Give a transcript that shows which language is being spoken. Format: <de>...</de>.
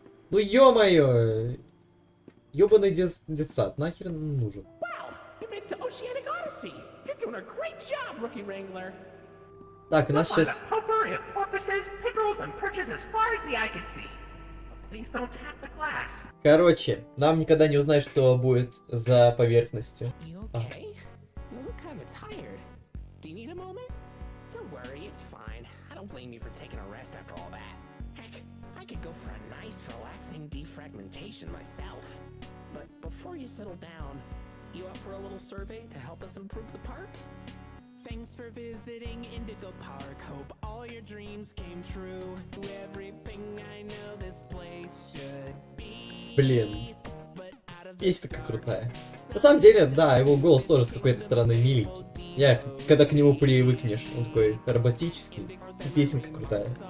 <ru>Ну, ё-моё. Ёбаный детсад, нахер нужен?</ru> <en>Wow, you made it to Oceanic Odyssey. You're doing a great job, Rookie Wrangler.</en> <ru>Так, нас сейчас...</ru> <en>Potpourri of porpoises, pickles, and perches as far as the eye can see. Please don't tap the glass.</en> <ru>Короче, нам никогда не узнать, что будет за поверхностью.</ru> <en>You okay? You look kind of tired. Do you need a moment? Don't worry, it's fine. I don't blame you for taking a rest after all that. Heck, I could go for a nice relaxing defragmentation myself. Before you settle down, you up for a little survey to help us improve the park? Thanks for visiting Indigo Park. Hope all your dreams came true. Everything I know this place should be.</en> <ru>Блин. Песня-ка крутая. На самом деле, да, его голос тоже с какой-то стороны миленький. Я, когда к нему привыкнешь, он такой роботический. Песенка крутая.</ru>